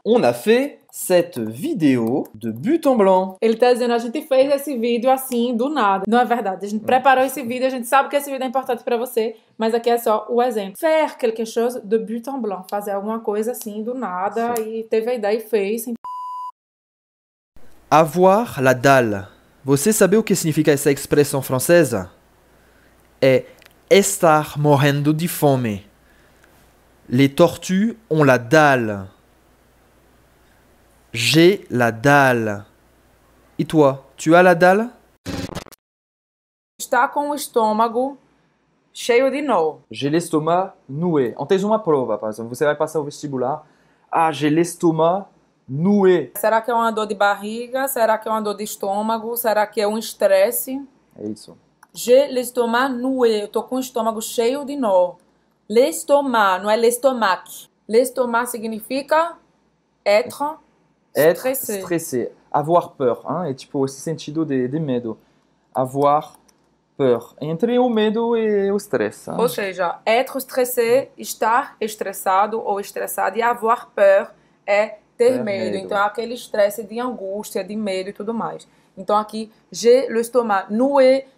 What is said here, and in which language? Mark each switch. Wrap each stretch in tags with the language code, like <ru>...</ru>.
<fr>On a fait cette vidéo de but en blanc.</fr> <pt>Ele está dizendo, a gente fez esse vídeo assim, do nada. Não é verdade. A gente preparou esse vídeo, a gente sabe que esse vídeo é importante para você, mas aqui é só o exemplo.</pt> <fr>Faire quelque chose de but en blanc.</fr> <pt>Fazer alguma coisa assim, do nada, sim. E teve a ideia e fez.</pt> <fr>Avoir la dalle.</fr> <pt>Você sabe o que significa essa expressão francesa? É estar morrendo de fome.</pt> <fr>Les tortues ont la dalle. J'ai la dalle. E toi, tu as la dalle?</fr> <pt>Está com o estômago Cheio de nó.</pt> <fr>J'ai l'estomac noué.</fr> <pt>En tes uma prova,</pt> <fr>par exemple.</fr> <pt>Você vai passar o vestibular.</pt> <fr>Ah, j'ai l'estomac noué.</fr> <pt>Será que é uma dor de barriga? Será que é uma dor de estômago? Será que é um estresse? É isso.</pt> <fr>J'ai l'estomac noué.</fr> <pt>Eu tô com o estômago cheio de nó. L'estomac, não é l'estomac.</pt> <fr>L'estomac significa être stressé. Être stressé. Avoir peur, hein?</fr> <pt>É tipo esse sentido de medo.</pt> <fr>Avoir peur.</fr> <pt>Entre o medo e o stress. Hein? Ou seja,</pt> <fr>être stressé,</fr> <pt>estar estressado ou estressado. E</pt> <fr>avoir peur</fr> <pt>é ter medo. Então é aquele estresse de angústia, de medo e tudo mais. Então aqui,</pt> <fr>j'ai l'estomac noué.</fr>